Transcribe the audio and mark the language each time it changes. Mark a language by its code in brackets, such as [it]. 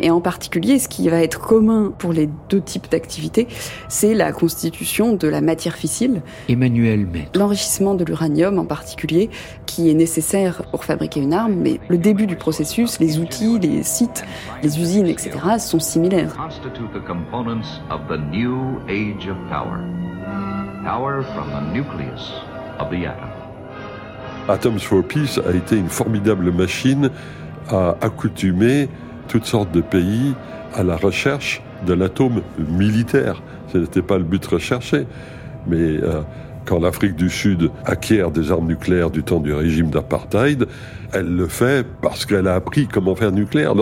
[fr] Et en particulier, ce qui va être commun pour les deux types d'activités, c'est la constitution de la matière fissile. Emmanuel Maître. L'enrichissement de l'uranium en particulier, qui est nécessaire pour fabriquer une arme. Mais le début du processus, les outils, les sites, les usines, etc. sont similaires. [en] Constitue the components of the new age of power. Power from the nucleus of the atom. [fr] Atoms for Peace a été une formidable machine à accoutumer toutes sortes de pays à la recherche de l'atome militaire. Ce n'était pas le but recherché. Mais quand l'Afrique du Sud acquiert des armes nucléaires du temps du régime d'apartheid, elle le fait parce qu'elle a appris comment faire nucléaire.